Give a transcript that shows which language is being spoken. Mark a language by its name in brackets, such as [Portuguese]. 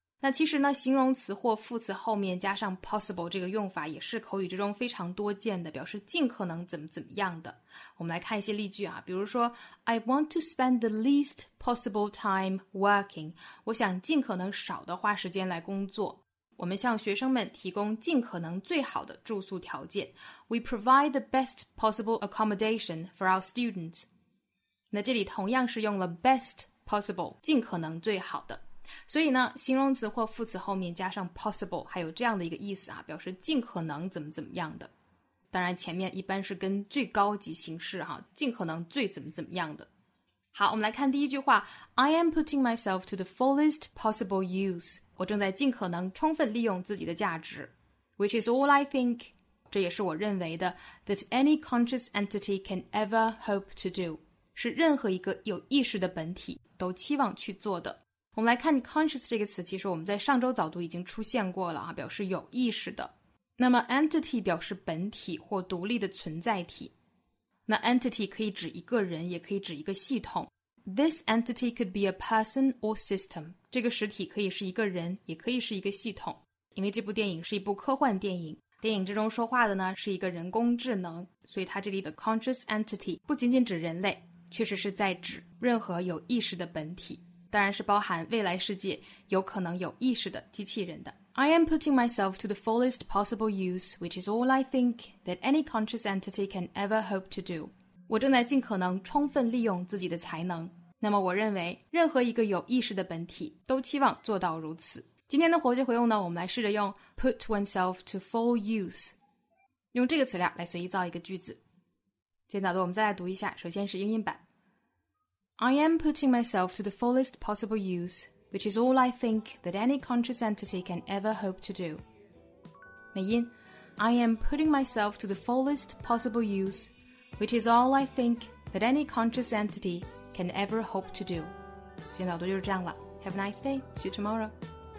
[Chinese] 那其实呢，形容词或副词后面加上 possible 这个用法也是口语之中非常多见的，表示尽可能怎么怎么样的。我们来看一些例句啊，比如说 I want to spend the least possible time working. 我想尽可能少的花时间来工作。我们向学生们提供尽可能最好的住宿条件。 [English] We provide the best possible accommodation for our students. [Chinese] 那这里同样是用了 best possible, 尽可能最好的。所以呢，形容词或副词后面加上 possible 还有这样的一个意思啊，表示尽可能怎么怎么样的。当然前面一般是跟最高级形式哈，尽可能最怎么怎么样的。好，我们来看第一句话， I am putting myself to the fullest possible use. 我正在尽可能充分利用自己的价值。 Which is all I think, 这也是我认为的， That any conscious entity can ever hope to do, 是任何一个有意识的本体都期望去做的。我们来看 conscious 这个词，其实我们在上周早读已经出现过了啊，表示有意识的。那么 entity 表示本体或独立的存在体。那 entity 可以指一个人，也可以指一个系统。 [English] This entity could be a person or system. [Chinese] 这个实体可以是一个人，也可以是一个系统。因为这部电影是一部科幻电影，电影之中说话的呢是一个人工智能，所以它这里的 conscious entity 不仅仅指人类，确实是在指任何有意识的本体。当然是包含未来世界有可能有意识的机器人的。 [English] I am putting myself to the fullest possible use, which is all I think that any conscious entity can ever hope to do. [Chinese] 我正在尽可能充分利用自己的才能。那么我认为任何一个有意识的本体都期望做到如此。今天的活句活用呢，我们来试着用 put oneself to full use, 用这个词链来随意造一个句子。今天早读我们再来读一下，首先是英音版。 [English] I am putting myself to the fullest possible use, which is all I think that any conscious entity can ever hope to do. 美音 I am putting myself to the fullest possible use, which is all I think that any conscious entity can ever hope to do. 今天早读就是这样了。 Have a nice day. See you tomorrow.